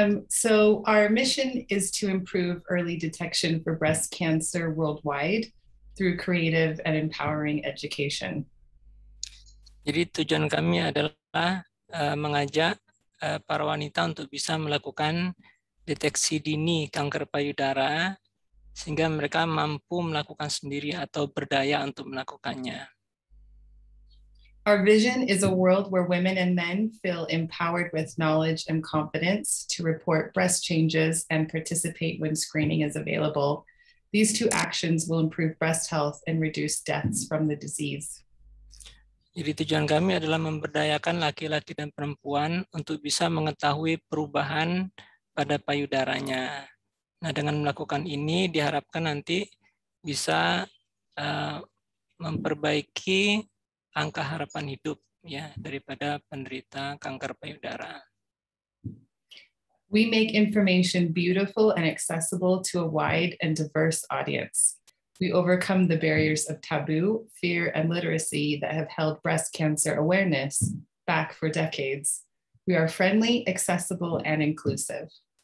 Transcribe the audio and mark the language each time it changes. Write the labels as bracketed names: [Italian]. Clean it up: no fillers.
[English] So our mission is to improve early detection for breast cancer worldwide through creative and empowering education. [Indonesian] Jadi tujuan kami adalah mengajak para wanita untuk bisa melakukan deteksi dini kanker payudara, sehingga mereka mampu melakukan sendiri atau berdaya untuk melakukannya. [English] Our vision is a world where women and men feel empowered with knowledge and confidence to report breast changes and participate when screening is available. These two actions will improve breast health and reduce deaths from the disease. [Indonesian] Jadi tujuan kami adalah memberdayakan laki-laki dan perempuan untuk bisa mengetahui perubahan pada payudaranya. Nah, dengan melakukan ini diharapkan nanti bisa memperbaiki angka harapan hidup ya daripada penderita kanker payudara. [English] We make information beautiful and accessible to a wide and diverse audience. We overcome the barriers of taboo, fear, and literacy that have held breast cancer awareness back for decades. We are friendly, accessible, and inclusive.